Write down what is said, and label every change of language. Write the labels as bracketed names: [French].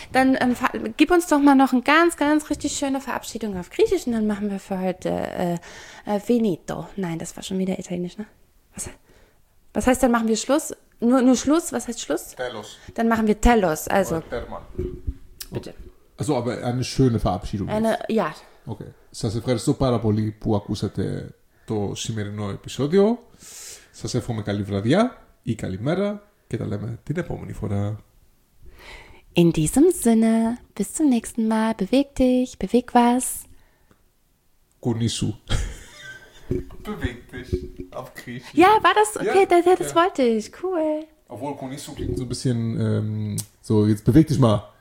[German] Dann gib uns doch mal noch eine ganz, ganz richtig schöne Verabschiedung auf Griechisch und dann machen wir für heute finito. Nein, das war schon wieder Italienisch, ne? Was heißt, dann machen wir Schluss? Nur Schluss? Was heißt Schluss? [Greek] Telos. [German] Dann machen wir Telos. Also. Bitte. Also, aber eine schöne Verabschiedung. Eine, ja. Okay. [Greek] Σας ευχαριστώ πάρα πολύ που ακούσατε το σημερινό επεισόδιο. Σας εύχομαι καλή βραδιά ή καλημέρα και τα λέμε την επόμενη φορά. [German] In diesem Sinne, bis zum nächsten Mal. Beweg dich, beweg was. [Greek] Kunisu. [German] Beweg dich auf Griechisch. Ja, war das? Okay, ja, das ja. Wollte ich. Cool. Obwohl Kunisu klingt so ein bisschen so, jetzt beweg dich mal.